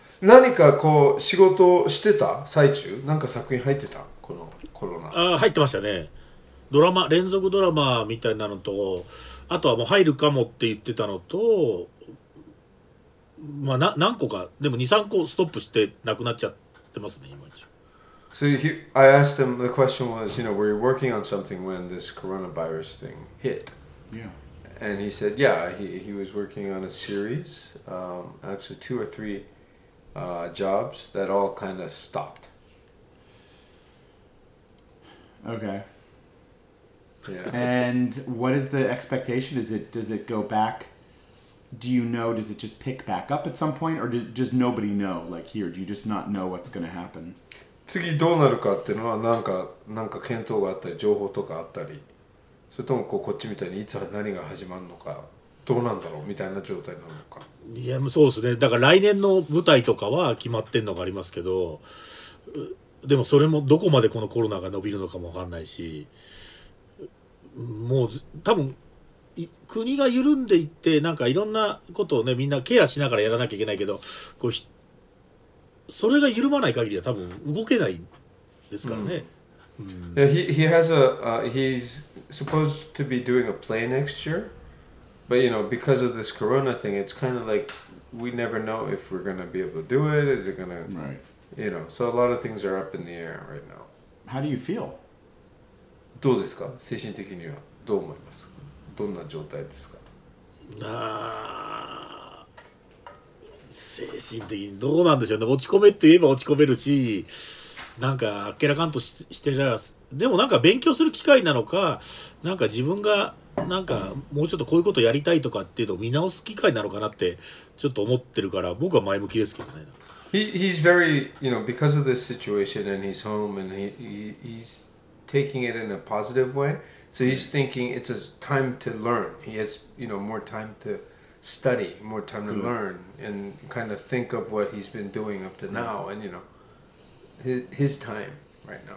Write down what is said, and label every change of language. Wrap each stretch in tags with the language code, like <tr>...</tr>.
<ja>何かこう仕事してた最中、なんか作品入ってた、このコロナ。入ってましたね。ドラマ、連続ドラマみたいなのと、あとはもう入るかもって言ってたのと、まあ何個か、でも 2,3 個ストップしてなくなっちゃってますね、今一応。</ja> <en>So I asked him, the question was, you know, were you working on something when this coronavirus thing hit? Yeah. And he said, yeah, he was working on a series, actually two or three jobs that all kind of stopped. Okay. Yeah. And what is the expectation? Is it, does it go back? Do you know, does it just pick back up at some point? Or does nobody know? Like here, do you just not know what's going to happen?</en> <ja>次どうなるかっていうのはなんか検討があったり情報とかあったり、それとも こっちみたいにいつ何が始まるのかどうなんだろうみたいな状態なのか。いや、そうですね。だから来年の舞台とかは決まってんのがありますけど、でもそれもどこまでこのコロナが伸びるのかもわかんないし、もう多分国が緩んでいってなんかいろんなことをねみんなケアしながらやらなきゃいけないけど、こうそれが緩まない限りは多分動けないですからね。</ja> <en>He has a he's supposed to be doing a play next year, but you know because of this corona thing, it's kind of like we never know if we're gonna be able to do it. Is it gonna right? You know, so a lot of things are up in the air right now. How do you feel?</en> <ja>どうですか、精神的にはどう思いますか、どんな状態ですか。あ、精神的にどうなんでしょうね。落ち込めって言えば落ち込めるし、なんかあっけらかんとしてたら、でもなんか勉強する機会なのか、なんか自分がなんかもうちょっとこういうことやりたいとかっていうのを見直す機会なのかなってちょっと思ってるから、僕は前向きですけどね。</ja> <en>He's very, you know, because of this situation and he's home and he'sTaking it in a positive way, so he's thinking it's a time to learn. He has, you know, more time to study, more time to learn, and kind of think of what he's been doing up to now, and you know, his time right now.</en>